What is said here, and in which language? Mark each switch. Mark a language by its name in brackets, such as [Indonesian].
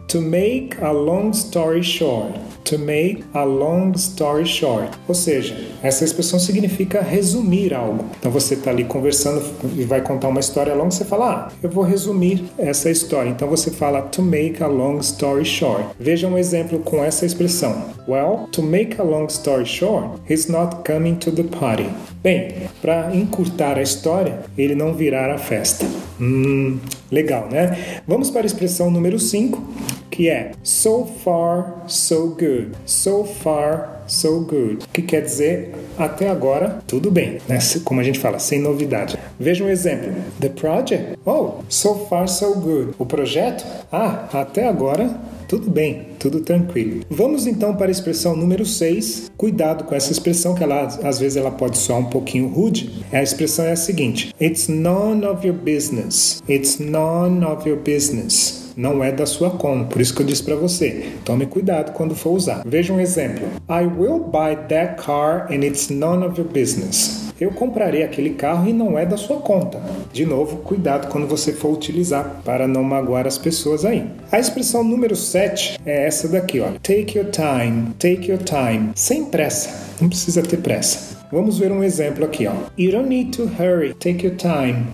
[English] To make a long story short. To make a long story short. [Portuguese] Ou seja, essa expressão significa resumir algo. Então você está ali conversando e vai contar uma história longa, você fala, ah, eu vou resumir essa história. Então você fala [English] to make a long story short. [Portuguese] Veja um exemplo com essa expressão. [English] Well, to make a long story short, he's not coming to the party. [Portuguese] Bem, para encurtar a história, ele não virá à festa. Legal, né? Vamos para a expressão número 5. Que é [English] so far, so good. So far, so good. [Portuguese] Que quer dizer até agora, tudo bem, né? Como a gente fala, sem novidade. Veja um exemplo. [English] The project? Oh, so far, so good. [Portuguese] O projeto? Ah, até agora, tudo bem, tudo tranquilo. Vamos então para a expressão número 6. Cuidado com essa expressão, que ela, às vezes ela pode soar um pouquinho rude. A expressão é a seguinte. [English] It's none of your business. It's none of your business. [Portuguese] Não é da sua conta. Por isso que eu disse para você. Tome cuidado quando for usar. Veja um exemplo. [English] I will buy that car and it's none of your business. [Portuguese] Eu comprarei aquele carro e não é da sua conta. De novo, cuidado quando você for utilizar para não magoar as pessoas aí. A expressão número 7 é essa daqui, ó. [English] Take your time. Take your time. [Portuguese] Sem pressa. Não precisa ter pressa. Vamos ver um exemplo aqui, ó. [English] You don't need to hurry. Take your time.